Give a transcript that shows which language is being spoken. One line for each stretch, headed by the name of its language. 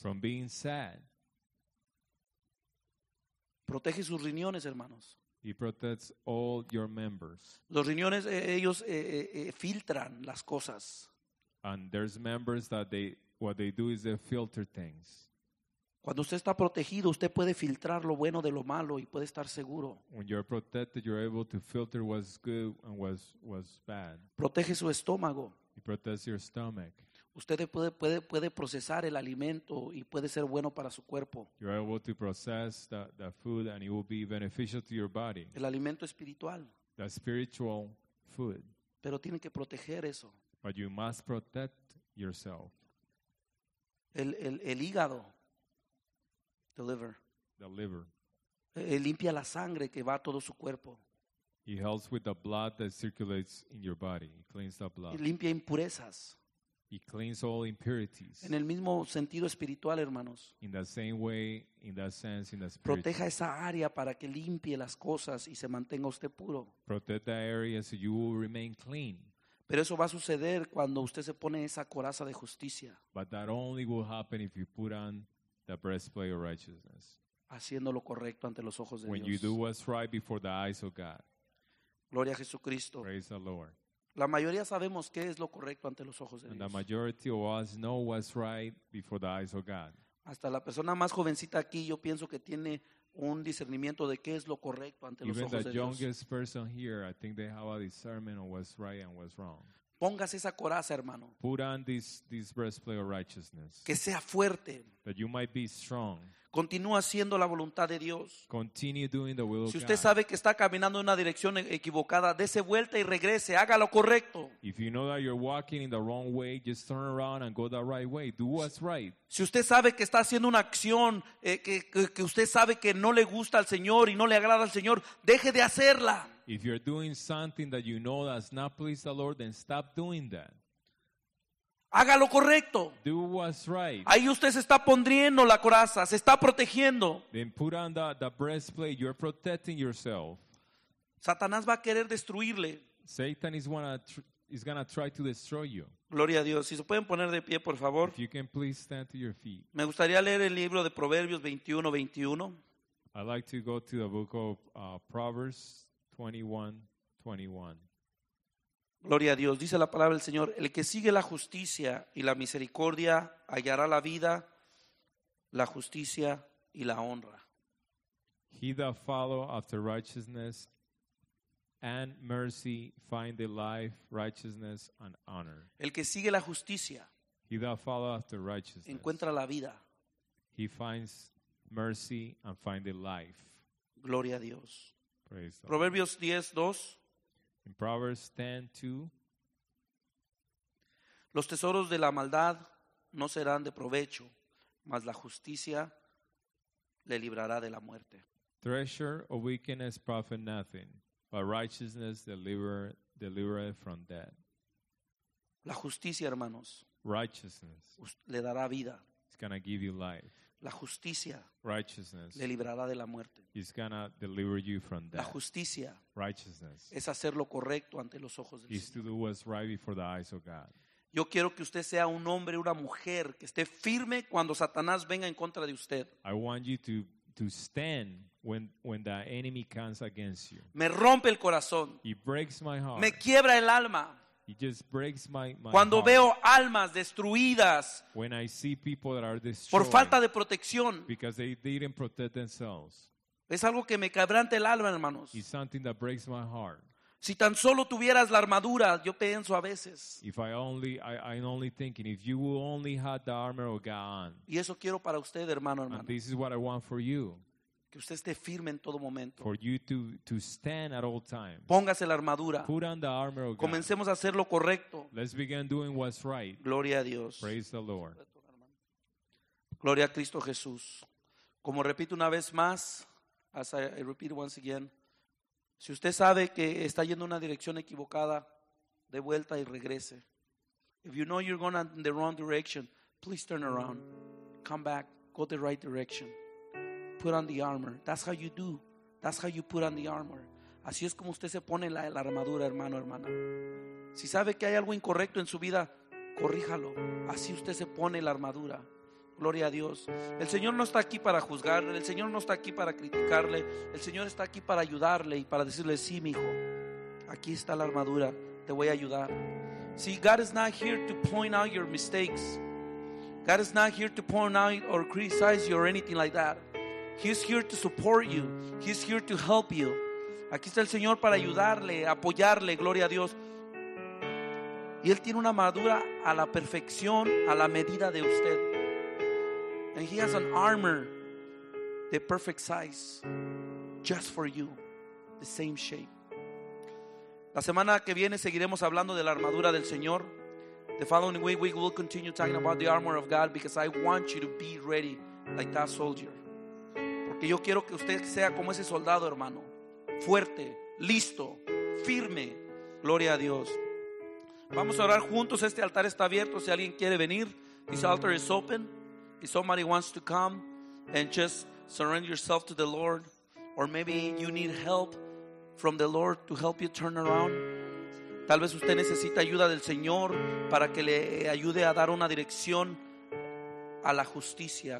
English: From being sad.
Spanish: Protege sus riñones, hermanos.
English: He protects all your members.
Spanish: Los riñones, ellos filtran las cosas.
English: And there's members that they, what they do is they filter things.
Spanish: Cuando usted está protegido, usted puede filtrar lo bueno de lo malo y puede estar seguro.
English: When you're protected, you're able to filter what's good and what's bad.
Spanish: Protege su estómago.
English: He protects your stomach.
Spanish: Usted puede procesar el alimento y puede ser bueno para su cuerpo.
English: You're able to process the food and it will be beneficial to your body.
Spanish: El alimento espiritual.
English: The spiritual food.
Spanish: Pero tiene que proteger eso.
English: But you must protect yourself.
Spanish: El hígado.
English: The liver. The liver. Limpia la sangre que va a todo su cuerpo. It helps with the blood that circulates in your body. It cleans the blood.
Spanish: Limpia impurezas.
English: He cleans all impurities.
Spanish: En el mismo sentido espiritual, hermanos.
English: In the same way, in that sense, in the spirit.
Spanish: Proteja esa área para que limpie las cosas y se mantenga usted puro.
English: Protect that area so you will remain clean.
Spanish: Pero eso va a suceder cuando usted se pone esa coraza de justicia.
English: But that only will happen if you put on the breastplate of righteousness.
Spanish: Haciendo lo correcto ante los ojos de
English: when
Spanish: Dios.
English: When you do what's right before the eyes of God.
Spanish: Gloria a Jesucristo.
English: Praise the Lord.
Spanish: La mayoría sabemos qué es lo correcto ante los ojos de Dios.
English: And the majority of us know what's right before the eyes of God.
Spanish: Hasta la persona más jovencita aquí, yo pienso que tiene un discernimiento de qué es lo correcto ante
English: even
Spanish: los ojos de Dios.
English: Even the youngest person here, I think they have a discernment of what's right and what's wrong.
Spanish: Póngase esa coraza, hermano.
English: Put on this breastplate of righteousness.
Spanish: Que sea fuerte.
English: That you might be strong.
Spanish: Continúa haciendo la voluntad de Dios.
English: Continue doing the will of
Spanish: God. Si usted sabe que está caminando en una dirección equivocada, dése vuelta y regrese. Haga lo correcto.
English: If you know that you're walking in the wrong way, just turn around and go the right way. Do what's right.
Spanish: Si usted sabe que está haciendo una acción que usted sabe que no le gusta al Señor y no le agrada al Señor, deje de hacerla.
English: If you're doing something that you know that's not pleased the Lord, then stop doing that.
Spanish: Haga lo correcto.
English: Do what's right.
Spanish: Ahí usted se está poniendo la coraza, se está protegiendo.
English: Then put on the breastplate. You're protecting yourself.
Spanish: Satanás va a querer destruirle.
English: Satan is gonna try to destroy you.
Spanish: Gloria a Dios. Si se pueden poner de pie, por favor.
English: If you can please stand to your feet.
Spanish: Me gustaría leer el libro de Proverbios 21:21.
English: I'd like to go to the book of Proverbs 21:21.
Spanish: Gloria a Dios. Dice la palabra del Señor: el que sigue la justicia y la misericordia hallará la vida, la justicia y la honra.
English: He that follow after righteousness and mercy find the life, righteousness and honor.
Spanish: El que sigue la justicia,
English: he that follow after righteousness,
Spanish: encuentra la vida.
English: He finds mercy and find the life.
Spanish: Gloria a Dios.
English: Praise the
Spanish: Proverbios 10:2.
English: In Proverbs 10:2,
Spanish: los tesoros de la maldad no serán de provecho, mas la justicia le librará de la muerte.
English: Treasure of wickedness profit nothing, but righteousness delivereth from death.
Spanish: La justicia, hermanos,
English: righteousness
Spanish: le dará vida.
English: It's gonna give you life.
Spanish: La justicia,
English: righteousness,
Spanish: le librará de la muerte.
English: Is gonna deliver you from death.
Spanish: La justicia,
English: righteousness,
Spanish: es hacer lo correcto ante los ojos del Señor.
English: Is to do what's right before the eyes of God.
Spanish: Yo quiero que usted sea un hombre, una mujer que esté firme cuando Satanás venga en contra de usted.
English: I want you to stand when the enemy comes against you.
Spanish: Me rompe el corazón.
English: It breaks my heart.
Spanish: Me quiebra el alma.
English: It just breaks my
Spanish: cuando
English: heart.
Spanish: Veo almas destruidas,
English: when I see people that are destroyed,
Spanish: por falta de protección,
English: because they didn't protect themselves,
Spanish: es algo que me quebranta el alma, hermanos.
English: It's something that breaks my heart.
Spanish: Si tan solo tuvieras la armadura, yo pienso a veces.
English: If I'm only thinking, if you only had the armor of God on.
Spanish: Y eso quiero para usted, hermano, hermano.
English: And this is what I want for you.
Spanish: Que usted esté firme en todo momento.
English: For you to stand at all times.
Spanish: Póngase la armadura.
English: Put on the armor of God.
Spanish: Comencemos a hacer lo correcto.
English: Let's begin doing what's right.
Spanish: Gloria a Dios.
English: Praise the Lord.
Spanish: Gloria a Cristo Jesús. Como repito una vez más,
English: as I repeat once again,
Spanish: si usted sabe que está yendo en una dirección equivocada, de vuelta y regrese.
English: If you know you're going in the wrong direction, please turn around. Come back. Go the right direction. Put on the armor. That's how you do. That's how you put on the armor.
Spanish: Así es como usted se pone la armadura, hermano, hermana. Si sabe que hay algo incorrecto en su vida, corríjalo. Así usted se pone la armadura. Gloria a Dios. El Señor no está aquí para juzgarle. El Señor no está aquí para criticarle. El Señor está aquí para ayudarle y para decirle: sí, mi hijo, aquí está la armadura, te voy a ayudar.
English: See, God is not here to point out your mistakes. God is not here to point out or criticize you or anything like that. He's here to support you. He's here to help you.
Spanish: Aquí está el Señor para ayudarle, apoyarle, gloria a Dios. Y Él tiene una armadura a la perfección, a la medida de usted.
English: And He has an armor, the perfect size, just for you, the same shape.
Spanish: La semana que viene seguiremos hablando de la armadura del Señor.
English: The following week we will continue talking about the armor of God, because I want you to be ready like that soldier.
Spanish: Que yo quiero que usted sea como ese soldado, hermano, fuerte, listo, firme. Gloria a Dios. Vamos a orar juntos. Este altar está abierto. Si alguien quiere venir,
English: this altar is open. If somebody wants to come and just surrender yourself to the Lord, or maybe you need help from the Lord to help you turn around.
Spanish: Tal vez usted necesita ayuda del Señor para que le ayude a dar una dirección a la justicia.